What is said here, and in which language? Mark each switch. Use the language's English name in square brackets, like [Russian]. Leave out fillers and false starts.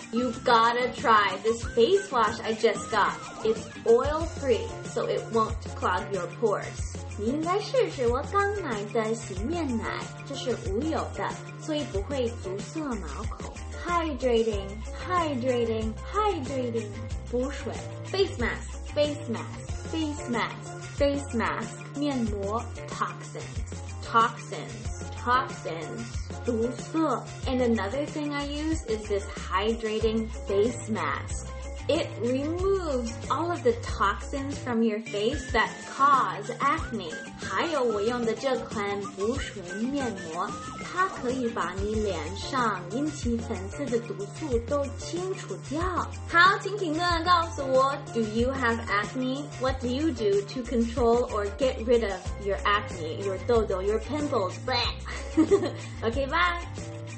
[English] You've gotta try this face wash I just got. It's oil free, so it won't clog your pores. [Chinese] 你应该试试我刚买的洗面奶，这是无油的，所以不会堵塞毛孔。 [English] Hydrating. [Chinese] 补水。 [English] Face mask. [Chinese] 面膜。 [English] Toxins. [Chinese] 毒色。 [English] And another thing I use is this hydrating face mask. It removes all of the toxins from your face that cause acne. [Chinese] 还有我用的这款补水面膜，它可以把你脸上引起粉刺的毒素都清除掉。好，请评论告诉我 , [English] Do you have acne? What do you do to control or get rid of your acne, your 痘痘, your pimples? Blah! Okay, bye.